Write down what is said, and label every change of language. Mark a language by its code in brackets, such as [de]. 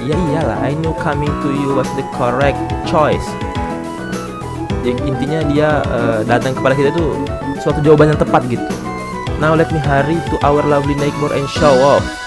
[id] Ya iyalah, [en] I knew coming to you was the correct choice. [id] Yang intinya dia datang kepada kita itu suatu jawaban yang tepat gitu. [en] Now let me hurry to our lovely neighbor and show off.